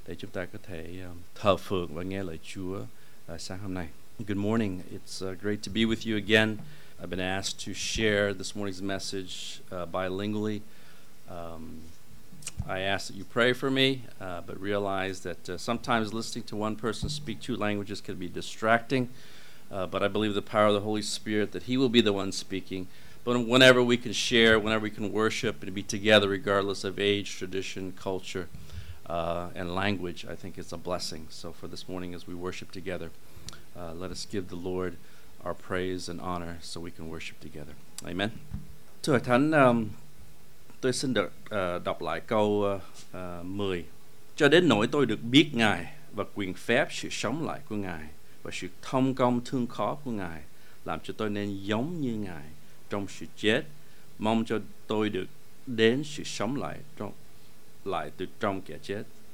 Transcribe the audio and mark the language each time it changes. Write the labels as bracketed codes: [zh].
[vi] để chúng ta có thể thờ phượng và nghe lời Chúa sáng hôm nay. [en] Good morning. It's great to be with you again. I've been asked to share this morning's message bilingually. I ask that you pray for me, but realize that sometimes listening to one person speak two languages can be distracting. But I believe the power of the Holy Spirit that He will be the one speaking. But whenever we can share, whenever we can worship and be together, regardless of age, tradition, culture, and language, I think it's a blessing. So for this morning, as we worship together, let us give the Lord our praise and honor so we can worship together. Amen. [vi] Thưa Thánh, tôi xin được đọc lại câu 10. Cho đến nỗi tôi được biết Ngài và quyền phép sự sống lại của Ngài và sự thông công thương khó của Ngài làm cho tôi nên giống như Ngài trong sự chết, mong cho tôi được đến sự sống lại từ trong kẻ chết.